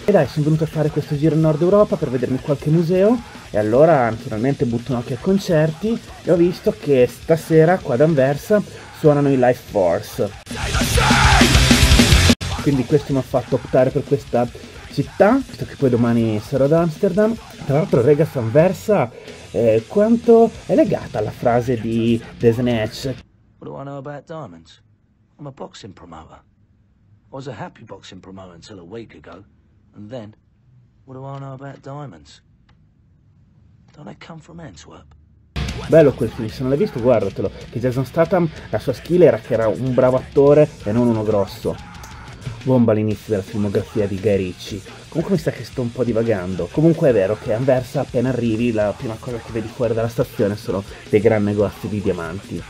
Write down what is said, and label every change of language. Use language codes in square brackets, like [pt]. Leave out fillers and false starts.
[it] E dai, sono venuto a fare questo giro in Nord Europa per vedermi qualche museo e allora naturalmente butto un occhio ai concerti e ho visto che stasera qua ad Anversa suonano i Life Force. Quindi questo mi ha fatto optare per questa città, visto che poi domani sarò ad Amsterdam. Tra l'altro, rega, Anversa, quanto è legata alla frase di The Snatch? [en] What do I know about diamonds? I'm a boxing promoter. I was a happy boxing promoter until a week ago. And then, what do I know about diamonds? Don't they come from Antwerp? [it] Bello quel film, se non l'hai visto guardatelo, che Jason Statham, la sua skill era che era un bravo attore e non uno grosso. Bomba l'inizio della filmografia di Guy Ritchie. Comunque mi sa che sto un po' divagando. Comunque è vero che Anversa, appena arrivi, la prima cosa che vedi fuori dalla stazione sono dei gran negozi di diamanti.